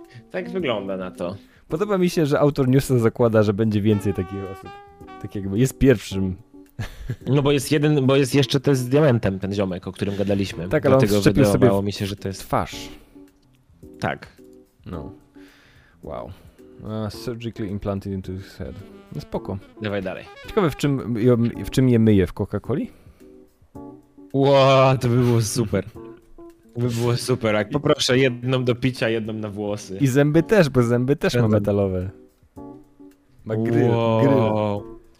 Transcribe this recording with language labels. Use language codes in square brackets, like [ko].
[pl] Tak wygląda na to. Podoba mi się, że autor newsa zakłada, że będzie więcej takich osób. Tak jakby jest pierwszym. No bo jest jeden, bo jest jeszcze ten z diamentem, ten ziomek, o którym gadaliśmy. Tak, ale dlatego on wszczepił sobie mi się, że to jest twarz. Tak. No. Wow. [en] Surgically implanted into his head. [pl] No spoko. Dawaj dalej. Ciekawe, w czym je myje, w Coca-Coli? Wow, to by było super. To by było super. Jak poproszę jedną do picia, jedną na włosy. I zęby też, bo zęby też ma metalowe. Ma gryl. Wow. Gryl.